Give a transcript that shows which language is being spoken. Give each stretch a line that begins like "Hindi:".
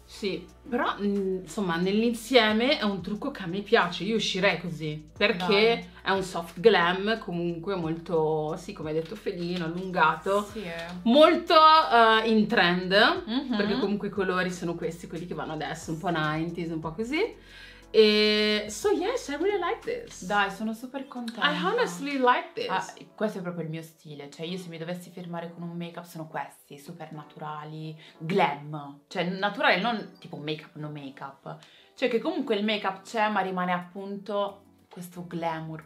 Italian: Sì, però insomma nell'insieme è un trucco che a me piace, io uscirei così, perché dai. È un soft glam comunque molto, sì come hai detto, felino, allungato, sì. Molto in trend, perché comunque i colori sono questi, quelli che vanno adesso, un po' 90s, un po' così.
English: E so yes, I really like this.
Italian: Dai, sono super contenta.
English: I honestly like this.
Italian: Questo è proprio il mio stile. Cioè io se mi dovessi firmare con un make up sono questi. Super naturali, glam. Cioè naturale, non tipo make up, no make up. Cioè che comunque il make up c'è, ma rimane appunto questo glamour.